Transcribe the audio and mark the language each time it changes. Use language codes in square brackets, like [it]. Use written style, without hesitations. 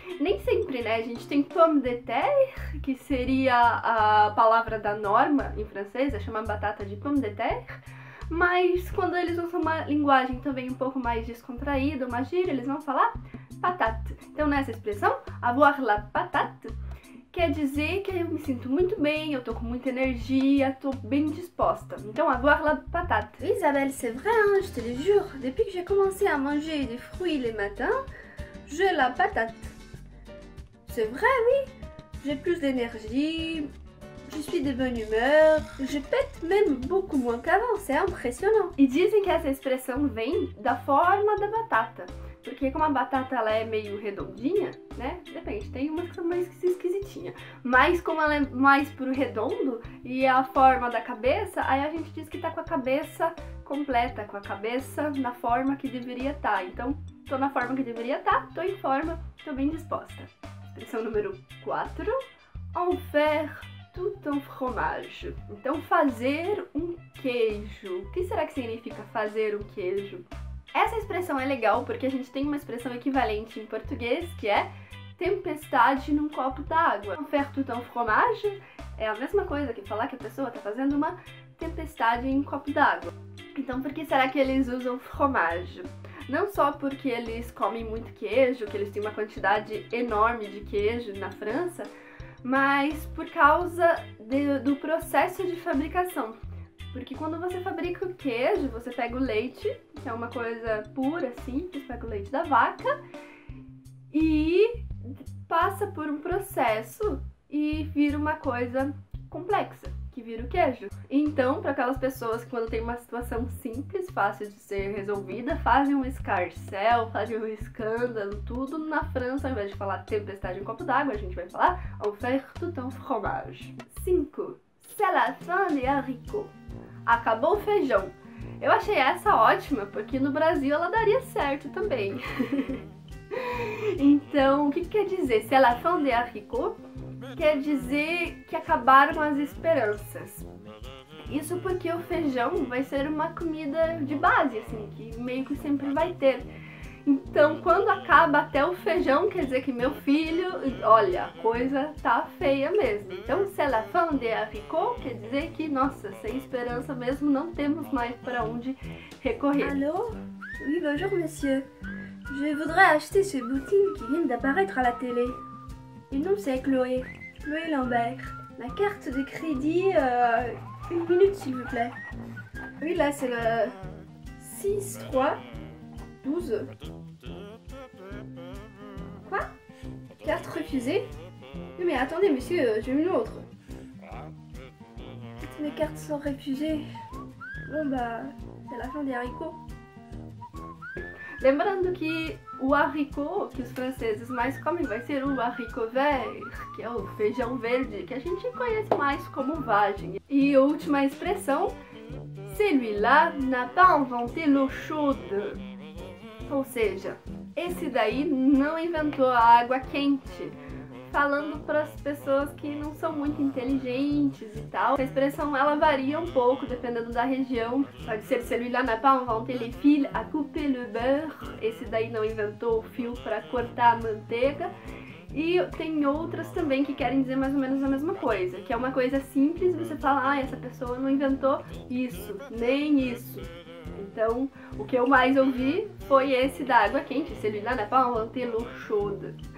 [pt] Nem sempre, né? A gente tem [fr] pomme de terre, [pt] que seria a palavra da norma em francês, é chamar batata de pomme de terre, mas quando eles usam uma linguagem também um pouco mais descontraída, uma gíria, eles vão falar patate. Então nessa expressão, [fr] avoir la patate, [pt] quer dizer que eu me sinto muito bem, eu tô com muita energia, tô bem disposta. [fr] Então, avoir la patate. Isabelle, c'est vrai, hein, je te le jure. Depuis que j'ai commencé à manger des fruits le matin, j'ai la patate. C'est vrai, oui. J'ai plus d'énergie, je suis de bonne humeur, je pète même beaucoup moins qu'avant, c'est impressionnant. [pt] E dizem que essa expressão vem da forma da batata. Porque como a batata ela é meio redondinha, né? Depende, tem umas que são mais esquisitinhas. Mas como ela é mais pro redondo e é a forma da cabeça, aí a gente diz que tá com a cabeça completa, com a cabeça na forma que deveria estar. Então, tô na forma que deveria estar, tô em forma, tô bem disposta. Expressão número 4. [fr] En faire tout un fromage. [pt] Então, fazer um queijo. O que será que significa fazer um queijo? Essa expressão é legal porque a gente tem uma expressão equivalente em português, que é tempestade num copo d'água. [fr] En faire tout un fromage [pt] é a mesma coisa que falar que a pessoa tá fazendo uma tempestade em um copo d'água. Então, por que será que eles usam fromage? Não só porque eles comem muito queijo, que eles têm uma quantidade enorme de queijo na França, mas por causa do processo de fabricação. Porque quando você fabrica o queijo, você pega o leite, que é uma coisa pura, simples, pega o leite da vaca e passa por um processo e vira uma coisa complexa, que vira o queijo. Então, para aquelas pessoas que quando tem uma situação simples, fácil de ser resolvida, fazem um escarcel, fazem um escândalo, tudo na França, ao invés de falar tempestade em copo d'água, a gente vai falar [fr] au faire tout un fromage. [pt] 5. [fr] C'est la fin des haricots. [pt] Acabou o feijão. Eu achei essa ótima, porque no Brasil ela daria certo também. Então, o que quer dizer? [fr] C'est la fin des haricots? [pt] Quer dizer que acabaram as esperanças. Isso porque o feijão vai ser uma comida de base, assim, que meio que sempre vai ter. Então, quando acaba até o feijão, quer dizer que meu filho, olha, a coisa tá feia mesmo. Então, [fr] c'est la fin des haricots, [pt] quer dizer que, nossa, sem esperança mesmo, não temos mais para onde recorrer. [fr] Alô? Oui, bonjour, monsieur. Je voudrais acheter ces bottines qui viennent d'apparaître à la télé. Le nom, c'est Chloé. Chloé Lambert. La carte de crédit, une minute, s'il vous plaît. Oui, là, c'est le 6-3-12. Quoi? Carte refusée? Oui, mais attendez, monsieur, j'ai une autre. Toutes mes cartes sont refusées. Bon, bah, c'est la fin des haricots. [pt] Lembrando que o haricot que os franceses mais comem vai ser o haricot vert, que é o feijão verde, que a gente conhece mais como vagem. E última expressão, [fr] celui-là n'a pas inventé l'eau chaude. [pt] Ou seja, esse daí não inventou a água quente. Falando para as pessoas que não são muito inteligentes e tal. A expressão ela varia um pouco dependendo da região. Pode ser [fr] celui-là n'a pas inventé les fils à couper le beurre. [pt] Esse daí não inventou o fio para cortar a manteiga. E tem outras também que querem dizer mais ou menos a mesma coisa. Que é uma coisa simples, você fala, ah, essa pessoa não inventou isso, nem isso. Então, o que eu mais ouvi foi esse da água quente, [fr] celui-là n'a pas inventé l'eau chaude.